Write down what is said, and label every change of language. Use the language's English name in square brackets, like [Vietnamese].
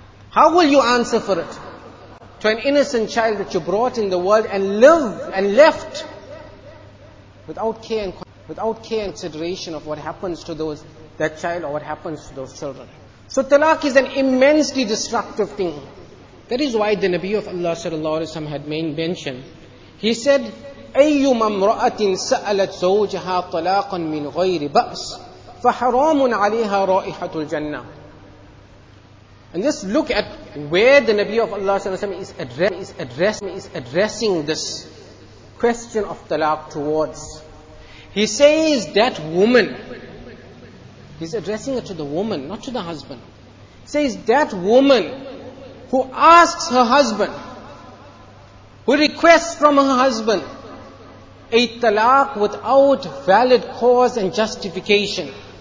[English] How will you answer for it to an innocent child that you brought in the world and live and left without care and consideration of what happens to that child or what happens to those children? So talaq is an immensely destructive thing. That is why the Nabi of Allah sallallahu alaihi wasallam had mentioned. He said, [Arabic] أَيُّمَ امْرَأَةٍ سَأَلَتْ زَوْجَهَا طَلَاقًا مِنْ غَيْرِ بَأْسٍ فَحَرَامٌ عَلَيْهَا رَائِحَةُ الْجَنَّةِ. [English] And just look at where the Nabi of Allah is addressing this question of talaq towards. He says that woman, he's addressing it to the woman, not to the husband. Says that woman who asks her husband, who requests from her husband a talaq without valid cause and justification.